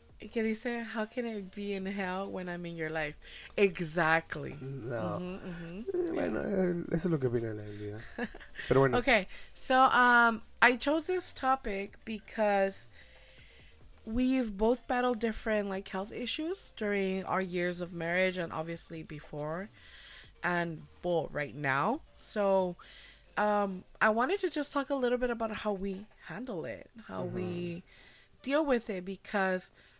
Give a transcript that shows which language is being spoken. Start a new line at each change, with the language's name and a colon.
Spanish: Que dice,
English: how can it be in hell when I'm in your life? Exactly. No.
Spanish: Bueno, eso es lo que opina la vida. Pero bueno.
English: Okay, so I chose this topic because we've both battled different like health issues during our years of marriage and obviously before and well, right now. So I wanted to just talk a little bit about how we handle it, how we deal with it because...